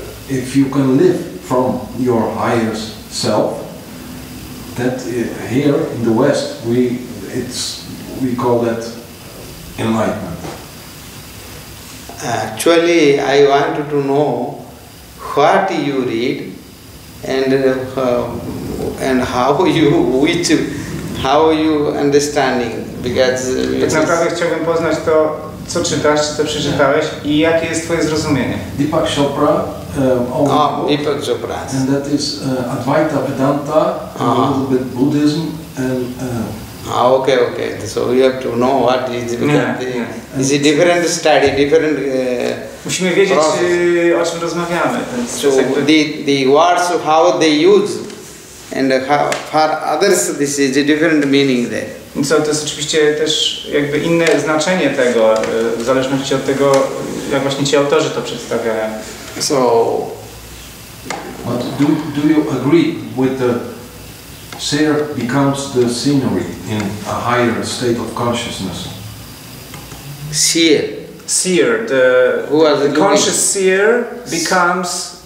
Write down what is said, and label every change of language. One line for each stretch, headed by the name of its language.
English: If you can live from your higher self, that here in the West we call that enlightenment. Actually, I wanted to know what you read and how you which how you understanding because
Polish: tak naprawdę chciałbym poznać to co czytasz, co przeczytałeś i jakie jest twoje zrozumienie.
English: Deepak Chopra Deepak Chopra. And that is Advaita Vedanta, a little bit Buddhism and Okay. So we have to know what is because is a different study, different.
Polish: Musimy wiedzieć, o czym rozmawiamy.
English: So the words of how they use and how for others this is a different meaning there.
Polish: So to jest oczywiście też jakby inne znaczenie tego, w zależności od tego, jak właśnie ci autorzy to przedstawiają.
English: So, but do you agree with the seer becomes the scenery in a higher state of consciousness. Seer, the conscious seer becomes